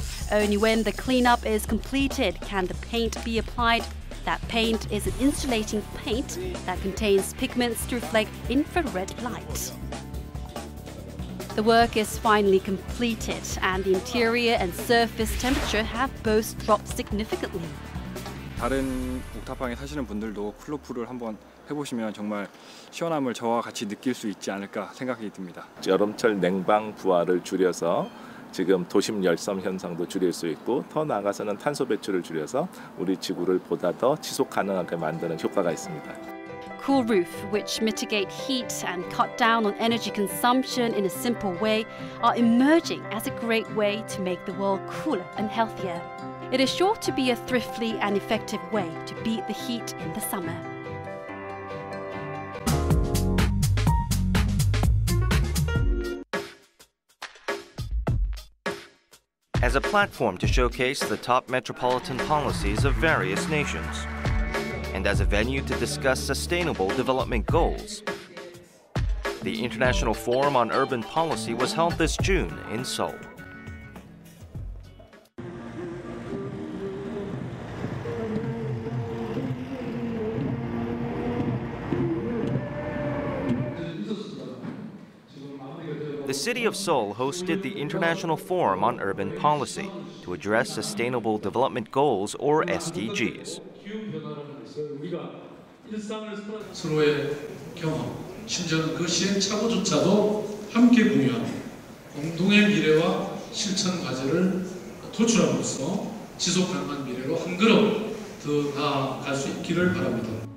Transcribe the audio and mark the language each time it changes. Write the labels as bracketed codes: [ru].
[en] Only when the cleanup is completed can the paint be applied. That paint is an insulating paint that contains pigments to reflect infrared light. The work is finally completed and the interior and surface temperature have both dropped significantly. [ko] 다른 옥탑방에 사시는 분들도 쿨루프를 한번 해보시면 정말 시원함을 저와 같이 느낄 수 있지 않을까 생각이 듭니다. 여름철 냉방 부하를 줄여서 지금 도심 열섬 현상도 줄일 수 있고 더 나아가서는 탄소 배출을 줄여서 우리 지구를 보다 더 지속 가능하게 만드는 효과가 있습니다. [en] Cool roof, which mitigate heat and cut down on energy consumption in a simple way, are emerging as a great way to make the world cooler and healthier. It is sure to be a thriftly and effective way to beat the heat in the summer. As a platform to showcase the top metropolitan policies of various nations, and as a venue to discuss sustainable development goals, the International Forum on Urban Policy was held this June in Seoul. The city of Seoul hosted the International Forum on Urban Policy to address Sustainable Development Goals, or SDGs. [ko] 서로의 경험, 심지어는 그 시행착오조차도 함께 공유하는 공동의 미래와 실천 과제를 도출함으로써 지속가능한 미래로 한 걸음 더 나아갈 수 있기를 바랍니다.